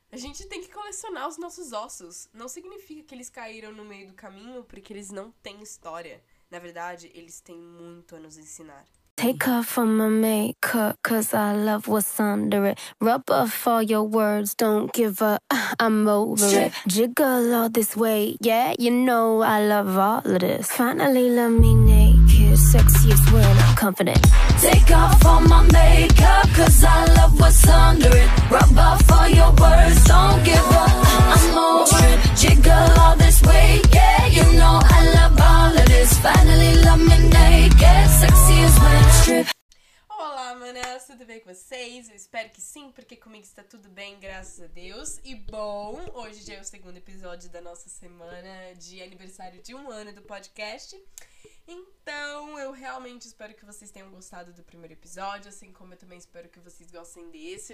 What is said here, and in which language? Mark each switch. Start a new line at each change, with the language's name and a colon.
Portuguese: A gente tem que colecionar os nossos ossos. Não significa que eles caíram no meio do caminho, porque eles não têm história. Na verdade, eles têm muito a nos ensinar.
English: Take off all my makeup, cause I love what's under it. Rub off all your words, don't give a, I'm over it. Jiggle all this way, yeah, you know I love all of this. Finally love me naked, sexiest when I'm confident. Take off all my makeup, cause I love what's under it. Rub off all your words, don't give a, I'm over it. Jiggle all this way, yeah, you know I love all of this. Finally love me naked, sexiest when I'm strip.
Portuguese: Olá, manas, tudo bem com vocês? Eu espero que sim, porque comigo está tudo bem, graças a Deus. E bom, hoje já é o segundo episódio da nossa semana de aniversário de 1 ano do podcast. Então, eu realmente espero que vocês tenham gostado do primeiro episódio, assim como eu também espero que vocês gostem desse.